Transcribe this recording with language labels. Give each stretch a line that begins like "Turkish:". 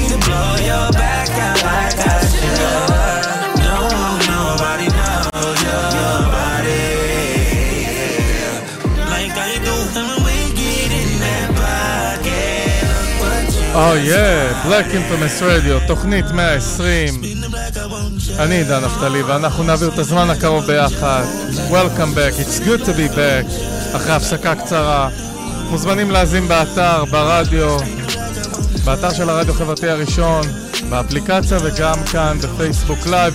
English: To blow your back out like I should. Oh yeah, Black Infamous Radio,
Hebrew: תוכנית 120. אני עידן נפתלי, ואנחנו נעביר את הזמן הקרוב ביחד.
English: Welcome back, it's good to be back.
Hebrew: אחרי הפסקה קצרה, מוזמנים להזים באתר, ברדיו, באתר של הרדיו חברתי הראשון, באפליקציה וגם כאן בפייסבוק לייב.